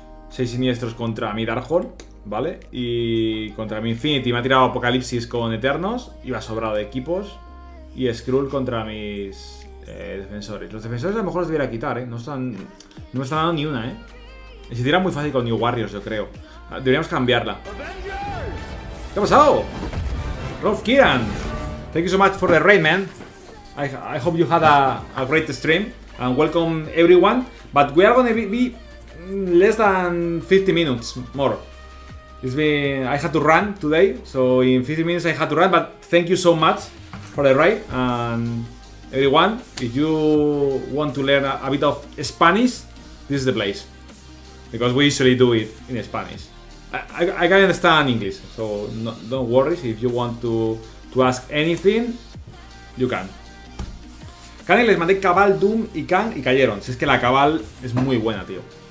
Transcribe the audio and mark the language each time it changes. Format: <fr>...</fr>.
<es>6 siniestros contra mi Darkhold. Vale, y contra mi Infinity me ha tirado Apocalipsis con Eternos. Iba sobrado de equipos. Y Skrull contra mis defensores. Los defensores a lo mejor los debiera quitar, ¿eh? No me están dando ni una, ¿eh? Y se tira muy fácil con New Warriors, yo creo. Deberíamos cambiarla. ¿Qué ha pasado?</es> <en>Rolf Kieran, thank you so much for the raid, man. I hope you had a great stream. And welcome everyone. But we are gonna be less than 50 minutes more. It's been, I had to run today, so in 50 minutes I had to run, but thank you so much for the ride. And everyone, if you want to learn a bit of Spanish, this is the place. Because we usually do it in Spanish. I can understand English, so no, don't worry. If you want to ask anything, you can.</en> <es>Kane, les mandé Cabal, Doom y Khan y cayeron. Si es que la Cabal es muy buena, tío.</es>